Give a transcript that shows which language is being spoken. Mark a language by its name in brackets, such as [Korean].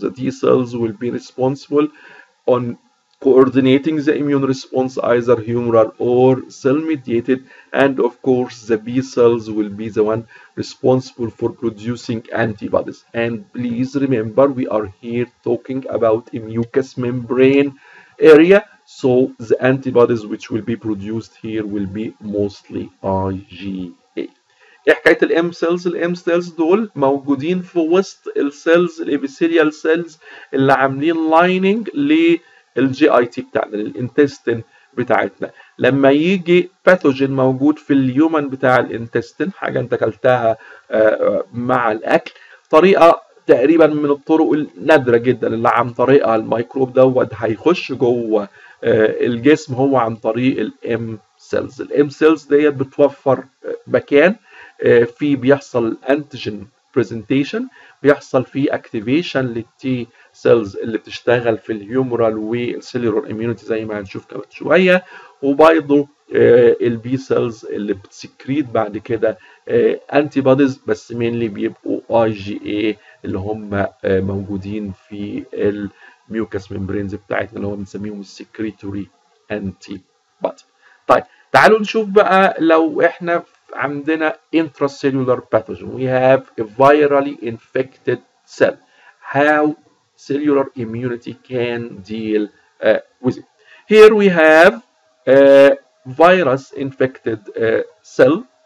[English] The T cells will be responsible on coordinating the immune response, either humoral or cell mediated, and of course the B cells will be the one responsible for producing antibodies. And please remember, we are here talking about a mucous membrane area, so the antibodies which will be produced here will be mostly IgA. [Arabic] حكاية الام سيلز، الام سيلز دول موجودين في وسط السيلز الابيثيليال سيلز اللي عاملين لايننج للجي اي تي بتاعنا، الانتستين بتاعتنا. لما يجي باثوجين موجود في اليومن بتاع الانتستين، حاجه انت اكلتها مع الاكل، طريقه تقريبا من الطرق النادره جدا اللي عن طريقها الميكروب دوت هيخش جوه الجسم، هو عن طريق الام سيلز. الام سيلز ديت بتوفر مكان في بيحصل انتيجين برزنتيشن، بيحصل فيه اكتيفيشن للتي سيلز اللي بتشتغل في الهيومورال والسيلولار اميونيتي زي ما هنشوف كمان شويه، وبرضه البي سيلز اللي بتسكريت بعد كده انتي بوديز، بس مينلي بيبقوا اي جي اي اللي هم موجودين في الميوكس ميمبرينز بتاعتنا اللي هو بنسميهم السكريتوري انتي بودي. طيب تعالوا نشوف بقى، لو احنا عندنا [English] intracellular pathogen، we have a virally infected cell، how cellular immunity can deal with it. Here we have a virus infected cell.